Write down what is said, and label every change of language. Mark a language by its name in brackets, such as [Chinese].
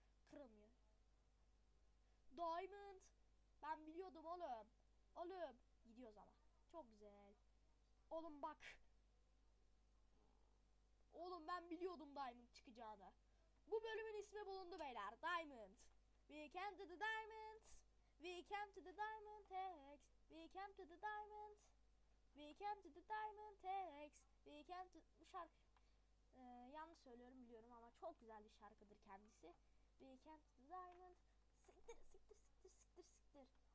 [Turkish] Kırılmıyor. Diamond. Ben biliyordum oğlum. Oğlum. Gidiyoruz ama. Çok güzel. Oğlum bak. Oğlum ben biliyordum Diamond çıkacağını. Bu bölümün ismi bulundu beyler. [English] Diamond. We came to the Diamond. We came to the Diamond Axe. We came to the Diamond. We came to the Diamond Axe. We came to... Bu şarkı... [Turkish] yanlış söylüyorum biliyorum ama çok güzel bir şarkıdır kendisi. [English] We came to the Diamond. [Turkish] Siktir, siktir, siktir, siktir, siktir.